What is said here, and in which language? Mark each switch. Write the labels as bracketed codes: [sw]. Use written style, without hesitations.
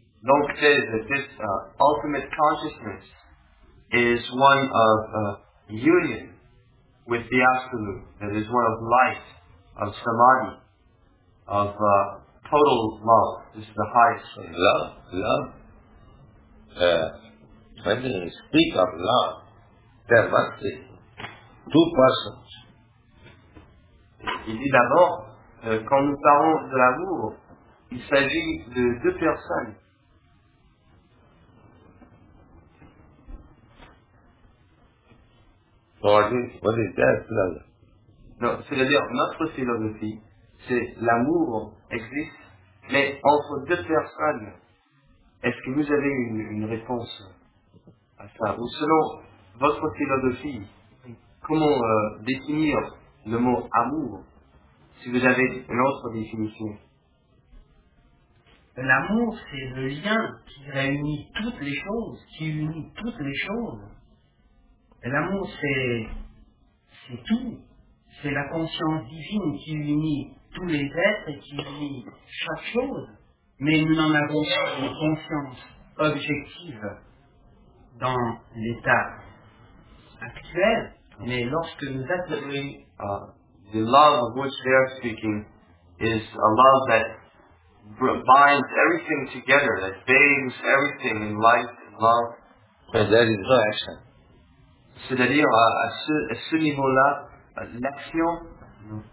[en] Lok says that this ultimate consciousness is one of union with the Absolute, that is one of light, of samadhi, of total love. This is the highest. Love. When you speak of love, there must be two persons. [fr] Il dit d'abord, quand nous parlons de l'amour, il s'agit de deux personnes. [en] What is that philosophy? [fr] No, c'est-à-dire, notre philosophie, c'est l'amour existe, mais entre deux personnes. Est-ce que vous avez une réponse à ça? Ou selon votre philosophie, comment définir le mot amour, si vous avez une autre définition? L'amour, c'est le lien qui réunit toutes les choses, qui unit toutes les choses. Et l'amour, c'est tout. C'est la conscience divine qui unit tous les êtres et qui unit chaque chose. Mais nous n'en avons pas une conscience objective dans l'état actuel. Mais lorsque nous appelons... [en] the love of which they are speaking is a love that binds everything together, that bathes everything in light and love. But that is no action. [fr] C'est-à-dire, à ce niveau-là, l'action...